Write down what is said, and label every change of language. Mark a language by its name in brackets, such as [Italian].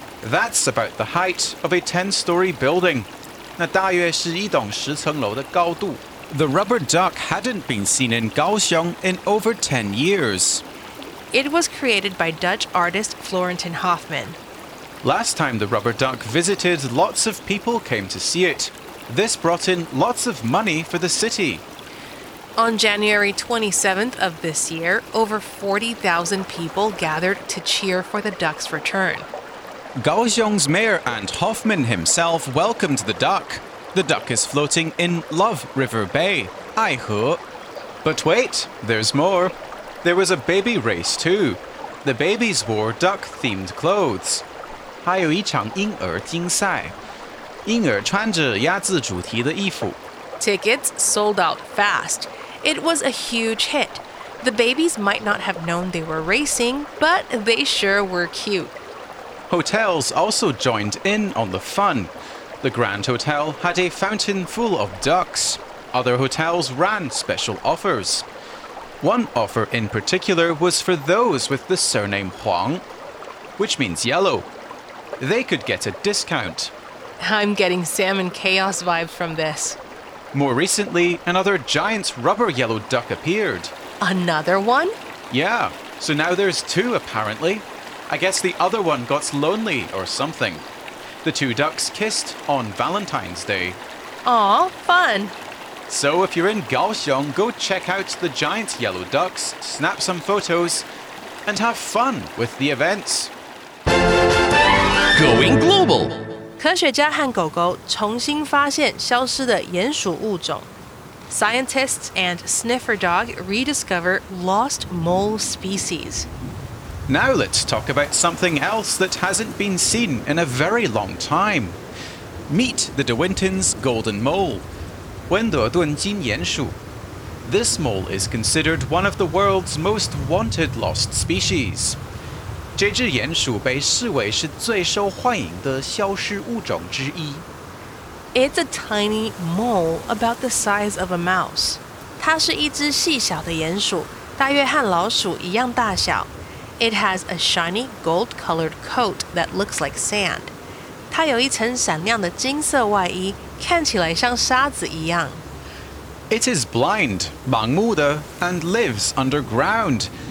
[English] That's about the height of a 10-story building. [Chinese] 那大约是一栋十层楼的高度。 [English] The rubber duck hadn't been seen in Kaohsiung in over 10 years. It was created by Dutch artist Florentin Hoffman. Last time the rubber duck visited, lots of people came to see it. This brought in lots of money for the city. On January 27th of this year, over 40,000 people gathered to cheer for the duck's return. Kaohsiung's mayor and Hoffman himself welcomed the duck. The duck is floating in Love River Bay, Aihe. But wait, there's more. There was a baby race too. The babies wore duck-themed clothes. [Chinese] 还有一场婴儿竞赛。婴儿穿着鸭子主题的衣服。 [English] Tickets sold out fast. It was a huge hit. The babies might not have known they were racing, but they sure were cute. Hotels also joined in on the fun. The Grand Hotel had a fountain full of ducks. Other hotels ran special offers. One offer in particular was for those with the surname Huang, which means yellow. They could get a discount. I'm getting Salmon Chaos vibes from this. More recently, another giant rubber yellow duck appeared. Another one? Yeah, so now there's two apparently. I guess the other one got lonely or something. The two ducks kissed on Valentine's Day. Aw, fun! So if you're in Kaohsiung, go check out the giant yellow ducks, snap some photos, and have fun with the events. Going global! [Chinese] 科学家和狗狗重新发现消失的鼹鼠物种。 [English] Scientists and sniffer dog rediscover lost mole species. Now let's talk about something else that hasn't been seen in a very long time. Meet the De Winton's golden mole. [Chinese] 温德顿金鼹鼠。 [English] This mole is considered one of the world's most wanted lost species. [Chinese] 这只鼹鼠被视为是最受欢迎的消失物种之一。 [English] It's a tiny mole about the size of a mouse. [Chinese] 它是一只细小的鼹鼠，大约和老鼠一样大小。 [English] It has a shiny gold-colored coat that looks like sand. [Chinese] 它有一层闪亮的金色外衣，看起来像沙子一样。 [English] It is blind, [Chinese] 盲目的, [English] and lives underground.